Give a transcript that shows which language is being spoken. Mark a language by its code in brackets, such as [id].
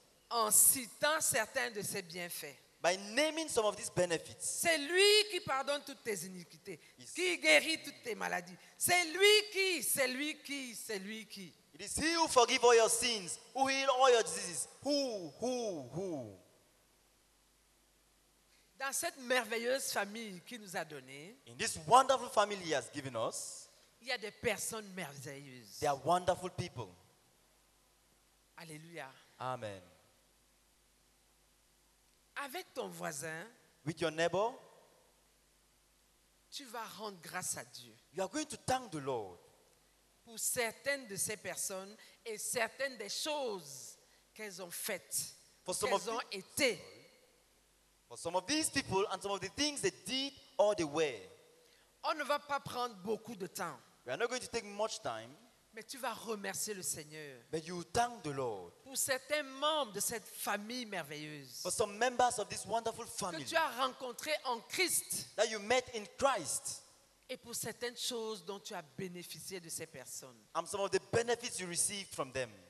[fr] En citant certains de ses bienfaits. [en] By naming some of these benefits. [fr] C'est lui qui pardonne toutes tes iniquités. He's qui guérit toutes tes maladies. C'est lui qui, c'est lui qui, c'est lui qui. [en] It is he who forgives all your sins, who heals all your diseases. Who? [fr] Dans cette merveilleuse famille qu'il nous a donnée, [en] in this wonderful family he has given us, [fr] il y a des personnes merveilleuses. [en] They are wonderful people. Alléluia. Amen. [fr] Avec ton voisin, [en] with your neighbor, [fr] tu vas rendre grâce à Dieu. [en] You are going to thank the Lord [fr] pour certaines de ces personnes et certaines des choses qu'elles ont faites, qu'elles ont été. [en] For some of these people and some of the things they did or they were. [fr] On ne va pas prendre beaucoup de temps. [en] We are not going to take much time. [fr] Mais tu vas remercier le Seigneur. [en] But you thank the Lord. [fr] Pour certains membres de cette famille merveilleuse. [en] For some members of this wonderful family. [fr] Que tu as rencontré en Christ. [en] That you met in Christ. [fr] Et pour certaines choses dont tu as bénéficié de ces personnes. [en] And some of the benefits you received from them.